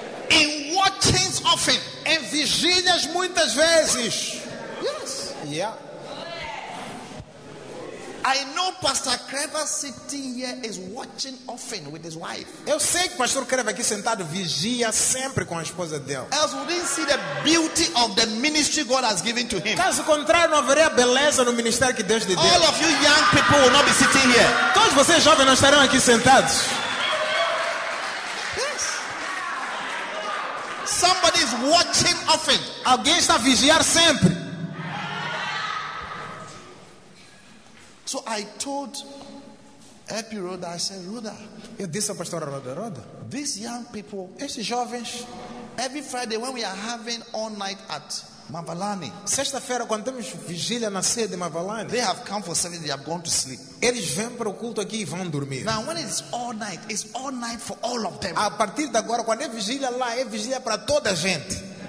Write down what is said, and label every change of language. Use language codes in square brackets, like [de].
[en] In watchings often. [pt] Em vigílias muitas vezes. [en] Yes. Yeah. I know Pastor Creva sitting here is watching often with his wife. [pt] Eu sei que Pastor Creva aqui sentado vigia sempre com a esposa dele. [en] Else we didn't see the beauty of the ministry God has given to him. [pt] Caso contrário, não haveria beleza no ministério que Deus lhe deu. [en] All of you young people will not be sitting here. [pt] Todos vocês jovens não estarão aqui sentados. [en] Yes. Somebody is watching often. [pt] Alguém está a vigiar sempre. [en] So I told Happy Roda, I said, Roda. [pt] Eu disse ao pastor Roda, Roda. [en] These young people, [pt] esses jovens, [en] every Friday when we are having all night at Mavalani. [pt] Sexta-feira quando temos vigília na sede de Mavalani. [en] They have come for service, they have gone to sleep. [pt] Eles vêm para o culto aqui e vão dormir. [en] Now when it's all night for all of them. [pt] A partir de agora quando vigília lá, vigília para toda a gente.